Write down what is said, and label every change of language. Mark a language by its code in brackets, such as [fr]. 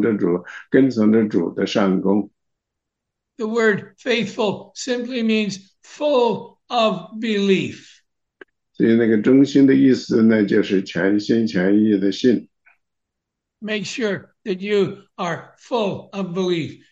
[zh] 因为主在你身上是不行了，那样的善功呢？那么说呢，就你要一直祷告，祷告让主呢保守你，你一直忠心的跟从着主，跟从着主的善功。 [en] The word faithful simply means full of belief. [zh] 所以那个忠心的意思呢，就是全心全意的信。 [en] Make sure that you are full of belief.